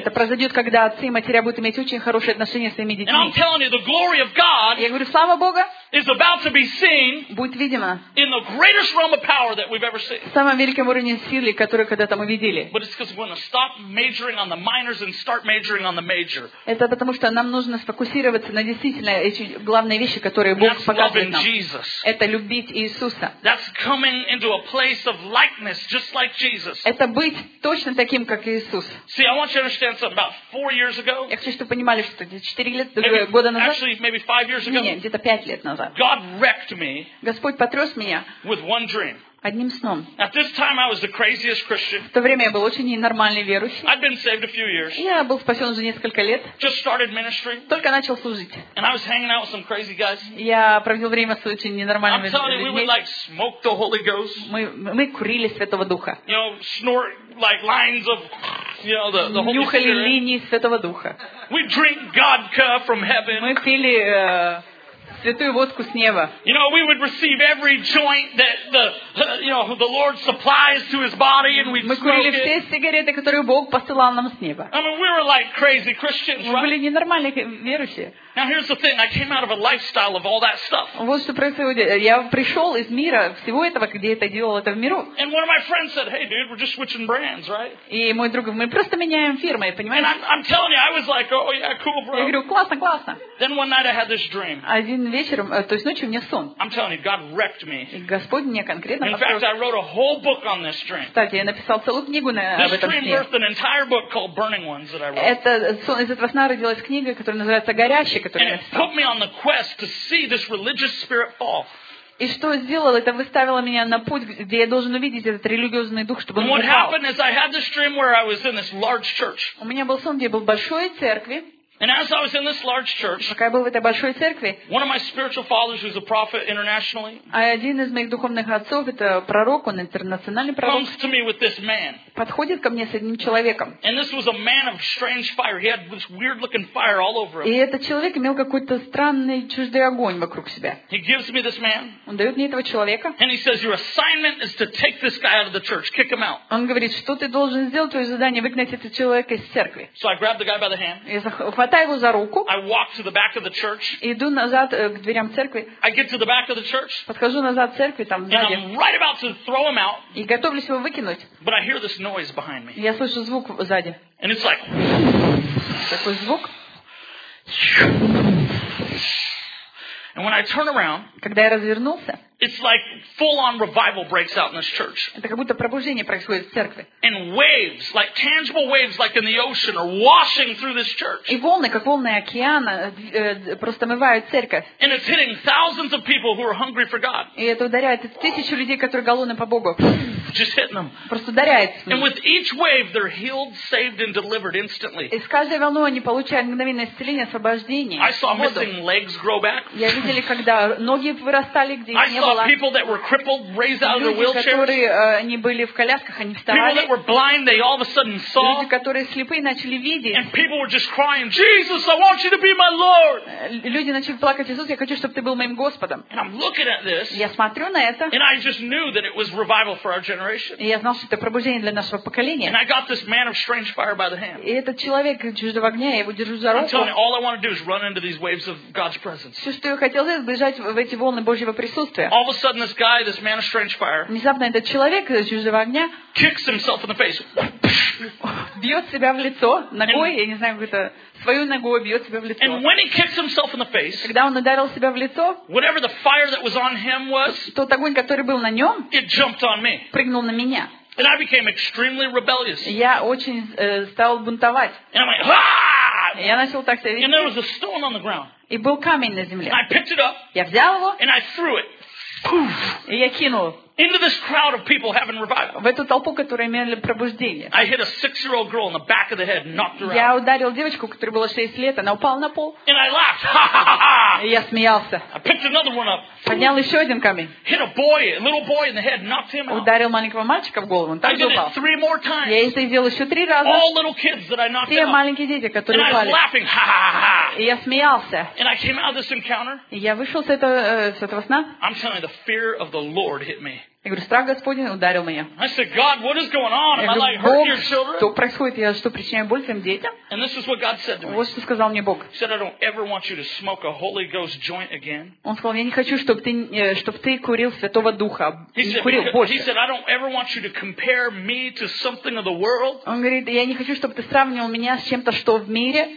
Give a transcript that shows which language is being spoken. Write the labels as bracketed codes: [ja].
[ru] Это произойдет, когда отцы и матери будут иметь очень хорошие отношения с своими детьми. [en] And I'm telling you, the glory of God. [ru] Я говорю, слава Бога. [en] Is about to be seen. [ru] Будет видимо. [en] In the greatest realm of power that we've ever seen. [ru] В самом великом уровне силы, который когда-то мы видели. [en] But it's because we're going to stop majoring on the minors and start majoring on the major. [ru] Это потому что нам нужно сфокусироваться на действительно эти главные вещи, которые Бог показывает нам. [en] Jesus. [ru] Это любить Иисуса. [en] That's coming into a place of likeness, just like Jesus. [ru] Это быть точно таким, как Иисус. [en] See, I want you to understand something. About 4 years ago. [ru] Я хочу, чтобы понимали, что где-то 4 года назад. [en] Actually, maybe 5 years ago. [ru] Нет, где-то 5 лет назад. [en] God wrecked me. [ru] Господь потряс меня. [en] With one dream. [ru] Одним сном. [en] At this time I was the craziest Christian. [ru] В то время я был очень ненормальный верующий. [en] I'd been saved a few years. [ru] Я был спасен уже несколько лет. [en] Just started ministry. [ru] Только начал служить. [en] And I was hanging out with some crazy guys. [ru] Я проводил время с очень ненормальными людьми. [en] I'm telling you, we would like smoke the Holy Ghost. [ru] Мы курили Святого Духа. [en] You know, snort like lines of, you know, the Holy Spirit. [ru] Нюхали линии Святого Духа. [en] We drink vodka from heaven. [ru] Мы пили святую водку с неба. [en] You know, we would receive every joint that the, you know, the Lord supplies to his body and we'd smoke it. [ru] Мы курили все сигареты, которые Бог посылал нам с неба. [en] I mean, we were like crazy Christians, right? [ru] Мы были ненормальные верующие. [en] Now here's the thing, I came out of a lifestyle of all that stuff. [ru] Вот что происходит. Я пришел из мира всего этого, где это делал это в миру. [en] And one of my friends said, "Hey, dude, we're just switching brands, right?" [ru] И мой друг, мы просто меняем фирмы, понимаешь? [en] And I'm telling you, I was like, "Oh yeah, cool, bro." [ru] Я говорю, классно, классно. [en] Then one night I had this dream. [ru] Один вечером, то есть ночью у меня сон. [en] I'm telling you, God wrecked me. [ru] И Господь мне конкретно. [en] In fact, I wrote a whole book on this dream. [ru] Кстати, я написал целую книгу на об этом сне. [en] This dream birthed an entire book called "Burning Ones" that I wrote. [ru] Это сон, из этого сна родилась книга, которая называется "Горящий". [en] And it put me on the quest to see this religious spirit fall. [ru] И что сделало? Это выставило меня на путь, где я должен увидеть этот религиозный дух, чтобы он упал. [en] And what happened is I had this dream where I was in this large church. [ru] У меня был сон, где я был в большой церкви. [en] And as I was in this large church, [ru] пока я был в этой большой церкви, [en] one of my spiritual fathers who's a prophet internationally, [ru] один из моих духовных отцов, это пророк, он интернациональный пророк, [en] comes to me with this man. [ru] Подходит ко мне с одним человеком. [en] And this was a man of strange fire. He had this weird-looking fire all over him. [ru] И этот человек имел какой-то странный чуждый огонь вокруг себя. [en] He gives me this man. [ru] Он дает мне этого человека. [en] And he says, "Your assignment is to take this guy out of the church. Kick him out." [ru] Он говорит, что ты должен сделать, твое задание выгнать этого человека из церкви. [en] So I grabbed the guy by the hand. [ru] Хватаю его за руку. [en] I walk to the back of the church. [ru] Иду назад к дверям церкви. [en] I get to the back of the church. [ru] Подхожу назад церкви там сзади. [en] And I'm right about to throw him out. [ru] И готовлюсь его выкинуть. [en] But I hear this noise behind me. [ru] Я слышу звук сзади. [en] And it's like [ru] такой звук. [en] And when I turn around, [ru] когда я развернулся, [en] it's like full-on revival breaks out in this church. [ru] Это как будто пробуждение происходит в церкви. [en] And waves, like tangible waves, like in the ocean, are washing through this church. [ru] И волны, как волны океана, просто омывают церковь. [en] And it's hitting thousands of people who are hungry for God. [ru] И это ударяет тысячу людей, которые голодны по Богу. [en] Just hitting them. [ru] Просто ударяет. [en] And with each wave, they're healed, saved, and delivered instantly. [ru] И с каждой волной они получают мгновенное исцеление, освобождение. [en] I saw missing legs grow back. [ru] Я видели, когда ноги вырастали, где [en] I saw people that were crippled raise out of their wheelchairs. [ru] Люди, которые не были в колясках, они вставали. [en] People that were blind, they all of a sudden saw. [ru] Люди, которые слепые, начали видеть. [en] And people were just crying, "Jesus, I want you to be my Lord." [ru] Люди начали плакать, Иисус, я хочу, чтобы ты был моим Господом. [en] And I'm looking at this. [ru] Я смотрю на это. [en] And I just knew that it was revival for our generation. [ru] И я знал, что это пробуждение для нашего поколения. [en] And I got this man of strange fire by the hand. [ru] И этот человек чуждого огня, я его держу за руку. [en] I'm telling you, all I want to do is run into these waves of God's presence. [ru] Все, что я хочу хотелось сбежать в эти волны Божьего присутствия. [en] All of a sudden, this guy, this man of strange fire, [ru] внезапно этот человек из чужого огня, [en] kicks himself in the face. [ru] Бьет себя в лицо ногой, я не знаю, как это, свою ногу бьет себя в лицо. [en] And when he kicks himself in the face, [ru] когда он ударил себя в лицо, [en] whatever the fire that was on him was, [ru] тот огонь, который был на нем, [en] it jumped on me. [ru] Прыгнул на меня. [en] And I became extremely rebellious. [ru] Я очень стал бунтовать. [en] And I'm like, ah! [ru] Я начал так себя вести. [en] And there was a stone on the ground. [ru] И был камень на земле. [en] And I picked it up. [ru] Я взял его. [en] And I threw it. [ru] И я кинул. [en] Into this crowd of people having revival. [ru] В эту толпу, которые имели пробуждение. [en] I hit a 6-year-old girl in the back of the head, knocked her out. [ru] Я ударил девочку, которой было 6 лет, она упала на пол. [en] And I laughed. Ha, ha, ha, ha. [ru] И я смеялся. [en] I picked another one up. [ru] Поднял еще один камень. [en] Hit a boy, a little boy in the head, knocked him out. [ru] Ударил маленького мальчика в голову, он так же упал. [en] I did it 3 more times. [ru] Я это сделал еще 3 раза. [en] All little kids that I knocked out. [ru] Все маленькие дети, которые упали. [en] And I was laughing. Ha, ha, ha, ha. [ru] И я смеялся. [en] And I came out of this encounter. [ru] И я вышел с этого, с этого сна. [en] I'm telling you, the fear of the Lord hit me. [ru] Я говорю, страх Господень ударил меня. [en] I said, God, what is going on? Am I like hurting your children? [ru] Что происходит? Я что, причиняю боль своим детям? [en] And this is what God said to me. [ru] Вот что сказал мне Бог. [en] He said, I don't ever want you to smoke a Holy Ghost joint again. [ru] Он сказал, я не хочу, чтобы ты курил Святого Духа. Не курил больше. [en] He said, I don't ever want you to compare me to something of the world. [ru] Он говорит, я не хочу, чтобы ты сравнивал меня с чем-то, что в мире.